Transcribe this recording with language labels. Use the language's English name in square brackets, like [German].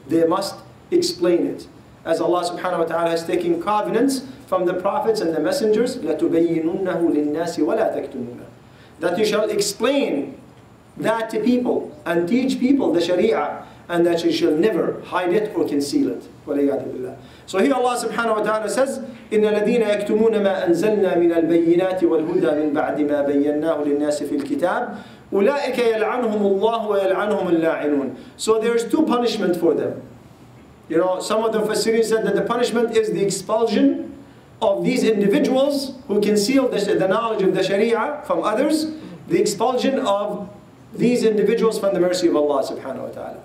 [English] They must explain it. As Allah subhanahu wa ta'ala has taken covenants from the prophets and the messengers, [Arabic] لَتُبَيِّنُنَّهُ لِلنَّاسِ وَلَا تَكْتُمُونَ. [English] That you shall explain that to people and teach people the Sharia, and that you shall never hide it or conceal it. [Arabic] وَلَيَّادُ بِاللَّهِ. [English] So here Allah subhanahu wa ta'ala says, [Arabic] إِنَّ الَّذِينَ يَكْتُمُونَ مَا أَنْزَلْنَا مِنَ الْبَيِّنَاتِ وَالْهُدَى مِنْ بَعْدِ مَا بَيَّنَّاهُ لِلنَّاسِ فِي الْكِتَابِ أُولَٰئِكَ يَلْعَنْهُمُ اللَّهُ وَيَلْعَنْهُمُ اللَّاعِنُونَ. [English] So there is two punishments for them. You know, some of the Fassirin said that the punishment is the expulsion of these individuals who conceal the knowledge of the Sharia from others, the expulsion of these individuals from the mercy of Allah subhanahu wa ta'ala.